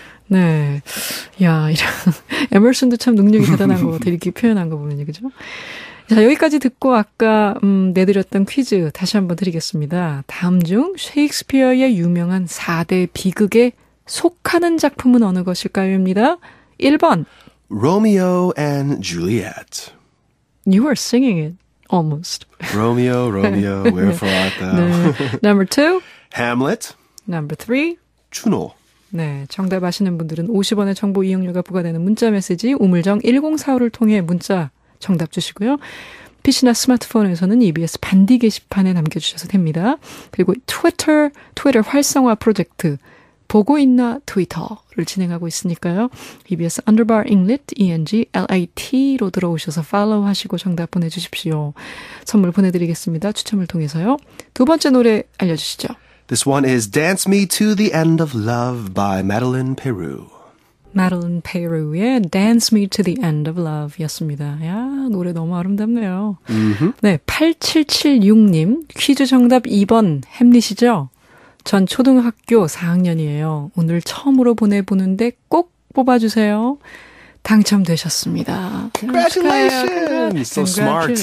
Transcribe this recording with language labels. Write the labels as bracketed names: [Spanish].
[Korean] 네, 야 이런 에머슨도 참 능력이 대단한 것 같아. 이렇게 표현한 거 보면요, 그죠? 자, 여기까지 듣고 아까 내드렸던 퀴즈 다시 한번 드리겠습니다. 다음 중 셰익스피어의 유명한 4대 비극에 속하는 작품은 어느 것일까요?입니다. 1번 [English] Romeo and Juliet. You are singing it almost. Romeo, Romeo, wherefore art thou? 네. Number 2. Hamlet. Number 3. [Korean] 준호. 네, 정답 아시는 분들은 50원의 정보 이용료가 부과되는 문자메시지 우물정 1045를 통해 문자 정답 주시고요. PC나 스마트폰에서는 EBS 반디 게시판에 남겨주셔도 됩니다. 그리고 트위터 활성화 프로젝트 보고 있나 트위터를 진행하고 있으니까요. EBS Underbar English ENGLIT로 들어오셔서 팔로우 하시고 정답 보내주십시오. 선물 보내드리겠습니다. 추첨을 통해서요. 두 번째 노래 알려주시죠. [English] This one is Dance Me to the End of Love by Madeline Peru. [Korean] Madeline Peru의 Dance Me to the End of Love 였습니다. 야, 노래 너무 아름답네요. Mm-hmm. 네, 8776님, 퀴즈 정답 2번 햄릿이죠? 전 초등학교 4학년이에요. 오늘 처음으로 보내보는데 꼭 뽑아주세요. 당첨되셨습니다. [English] Congratulations! Congratulations. So smart.